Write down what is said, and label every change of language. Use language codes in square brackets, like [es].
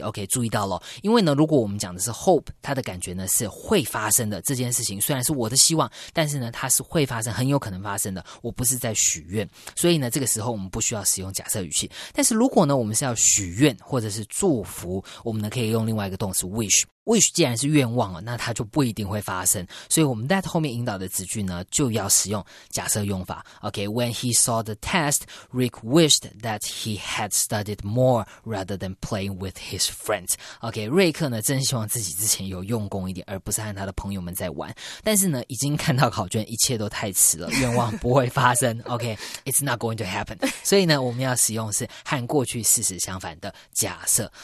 [zh] OK, 注意到了，因为呢如果我们讲的是 hope, 它的感觉呢是会发生的，这件事情虽然是我的希望，但是呢它是会发生，很有可能发生的，我不是在许愿，所以呢这个时候我们不需要使用假设语气。但是如果呢我们是要许愿或者是祝福，我们呢可以用另外一个动词 wish。 wish 既然是愿望了，那它就不一定会发生。所以我们 that 后面引导的子句呢，就要使用假设用法。 [en] Okay, when he saw the test, Rick wished that he had studied more rather than playing with his friends. [zh] Okay, 瑞克呢，真希望自己之前有用功一点，而不是和他的朋友们在玩。但是呢，已经看到考卷，一切都太迟了，愿望不会发生。 [en] Okay, it's not going to happen. [zh] 所以呢，我们要使用是和过去事实相反的假设。